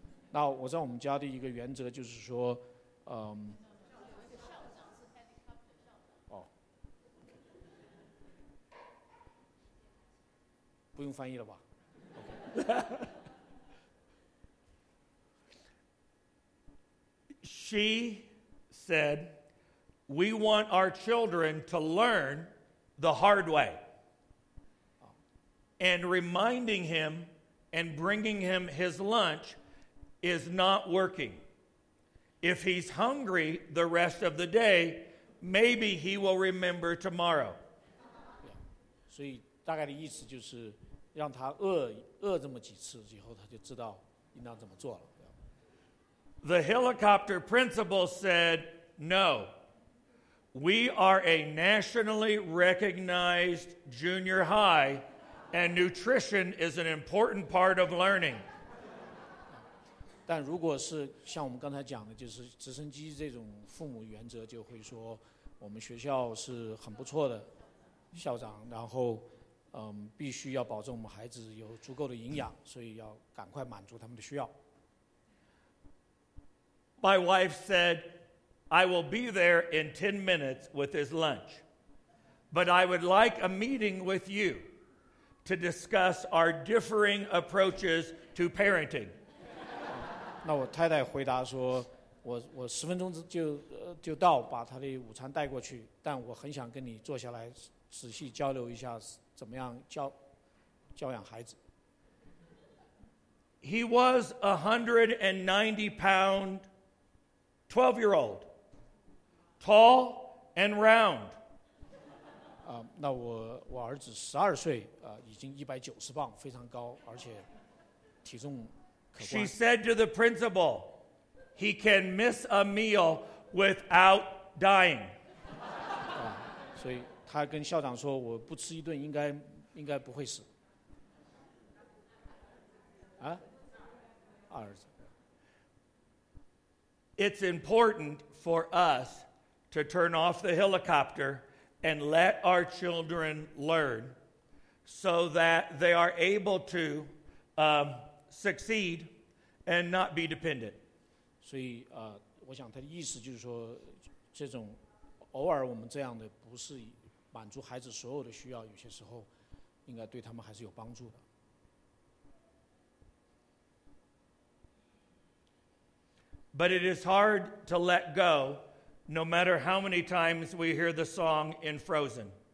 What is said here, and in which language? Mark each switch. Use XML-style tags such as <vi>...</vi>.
<zh>那我在我们家的一个原则就是说，不用翻译了吧。</zh> <en>She said, "We want our children to learn the hard way." And reminding him and bringing him his lunch is not working. If he's hungry the rest of the day, maybe he will remember tomorrow.</en> <zh>所以大概的意思就是让他饿这么几次以后，他就知道应当怎么做了。</zh> <en>The helicopter principal said, "No, we are a nationally recognized junior high, and nutrition is an important part of learning."</en> <zh>但如果是像我们刚才讲的，就是直升机这种父母原则，就会说我们学校是很不错的校长，然后。必须要保证我们孩子有足够的营养，所以要赶快满足他们的需要。</zh> <en>My wife said, "I will be there in 10 minutes with his lunch, but I would like a meeting with you to discuss our differing approaches to parenting."</en> <zh>那我太太回答说，我十分钟就到，把他的午餐带过去，但我很想跟你坐下来仔细交流一下。怎么样教养孩子。</zh> <en>He was 190 pound 12 year old, tall and round.</en> <zh>那我儿子12岁，已经190磅，非常高，而且体重可观。</zh> <en>She said to the principal, "He can miss a meal without dying."</en> <zh>所以他跟校长说，我不吃一顿应该不会死。啊，二儿子。</zh> <en>It's important for us to turn off the helicopter and let our children learn so that they are able to succeed and not be dependent.</en> <zh>所以我想他的意思就是说，这种偶尔我们这样的不是满足孩子所有的需要，有些时候应该对他们还是有帮助的。</zh> <en>But it is hard to let go, no matter how many times we hear the song in Frozen.</en>